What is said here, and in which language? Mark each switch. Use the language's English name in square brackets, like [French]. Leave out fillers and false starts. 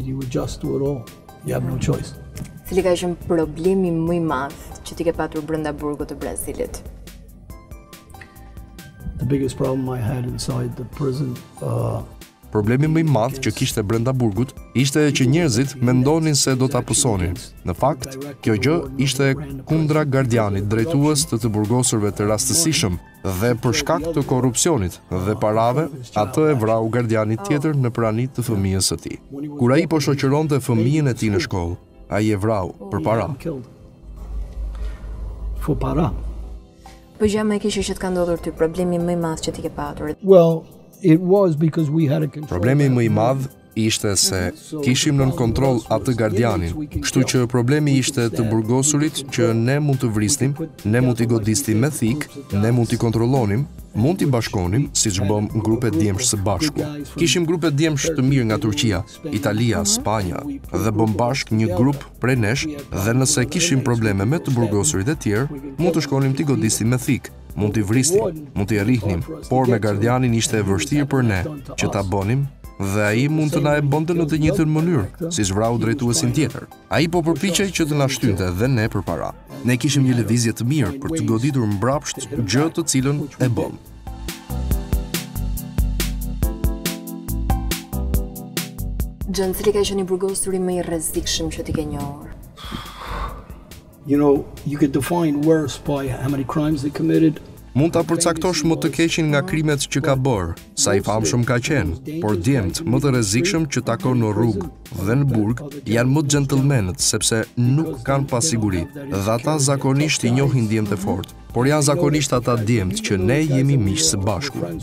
[Albanian] Cili ka qenë problemi më i madh që ti ke patur brenda burgut të Brazilit? [English] The biggest problem I had inside the prison [Albanian] Problemi më i madh që kishte brenda burgut ishte që njerëzit mendonin se do ta pusonin. Në fakt, kjo gjë ishte kundra gardianit drejtues të burgosurve të rastësishëm dhe për shkak të korrupsionit dhe parave, atë e vrau gardiani tjetër në praninë të fëmijës së tij. Kur ai po shoqëronte fëmijën e tij në shkollë, ai e vrau për para. [English] For para. [Albanian] Po gjë më e keqe që të ka ndodhur ty, problemi më i madh që ti ke patur. [English] Well, it was because we had a control. [Albanian] Problemi më i madh ishte se kishim nën kontroll atë gardianin, kështu që problemi ishte të burgosurit që ne mund të vrisnim, ne mund t'i godisnim me thik, ne mund t'i kontrollonim, mund t'i bashkonim, siç bëm grupe djemsh së bashku. Kishim grupe djemsh të mirë nga Turqia, Italia, Spanja dhe bëm bashk një grup prej nesh dhe nëse kishim probleme me të burgosurit e tjerë, mund të shkonim t'i godisnim me thik. Mund t'i vristim, mund t'i rrihnim, por me gardianin ishte e vështirë për ne që ta bënim dhe ai mund të na e bënte në të njëjtën mënyrë, siç vrau drejtuesin tjetër. Ai po përpiqej që të na shtynte dhe ne përpara. Ne kishim një lëvizje të mirë për të goditur mbrapsht gjë të cilën e bëm. Gjën, cili ka qenë i burgosuri më i rrezikshëm që ti ke njohur? [English] You know, you could define worse by how many crimes they committed. [Albanian] Mund ta përcaktosh më të keqin nga krimet që ka bërë, sa i famshëm ka qenë, por djemt më të rrezikshëm që takon në rrugë dhe në burg janë më gentlemanët sepse nuk kanë pasiguri. Dhe ata zakonisht i njohin djemt e fort, por janë zakonisht ata djemt që ne jemi miqë së bashku.